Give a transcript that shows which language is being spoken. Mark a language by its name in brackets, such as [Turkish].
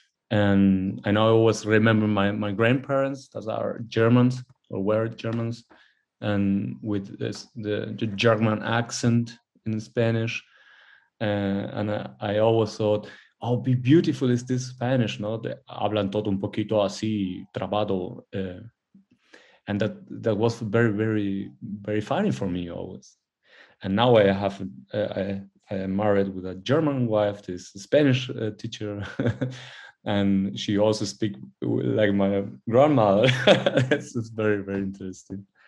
[English] And I always remember my grandparents that are Germans, or were Germans, and with this, the German accent in Spanish. And I always thought, oh, be beautiful is this Spanish, no? They [Spanish] hablan todo un poquito así, trabado. [English] And that was very, very, very funny for me always. And now I have I am married with a German wife, this Spanish teacher, and she also speak like my grandmother. It's very, very interesting.